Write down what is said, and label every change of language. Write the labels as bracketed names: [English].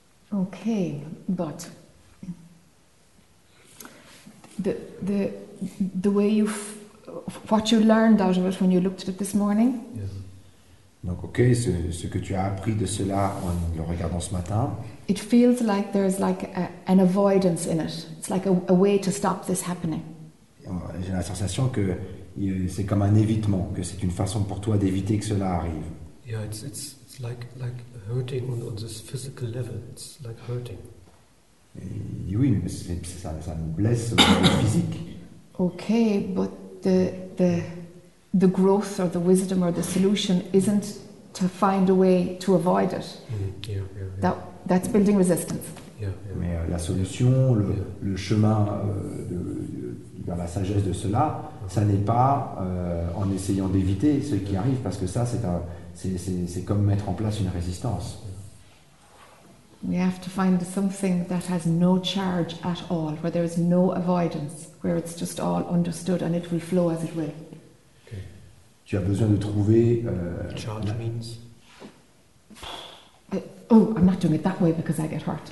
[English] Okay, but the way you what you learned out of it when you looked at it this morning. Yes. [French] Donc, ok, ce que tu as appris de cela en le regardant ce matin. [English] It feels like there's like an avoidance in it. It's like a way to stop this happening. [French] J'ai la sensation que c'est comme un évitement, que c'est une façon pour toi d'éviter que cela arrive. [English] Yeah, it's like hurting on this physical level. It's like hurting. [French] Et oui, mais ça me blesse au niveau physique. [English] Ok, but the growth or the wisdom or the solution isn't to find a way to avoid it. That's building resistance. [French] Mais la solution, le chemin vers la sagesse de cela, ça n'est pas en essayant d'éviter ce qui arrive, parce que ça, c'est comme mettre en place une résistance. [English] We have to find something that has no charge at all, where there is no avoidance, where it's just all understood and it will flow as it will. [French] Tu as besoin de trouver. [English] Charge means. I'm not doing it that way because I get hurt.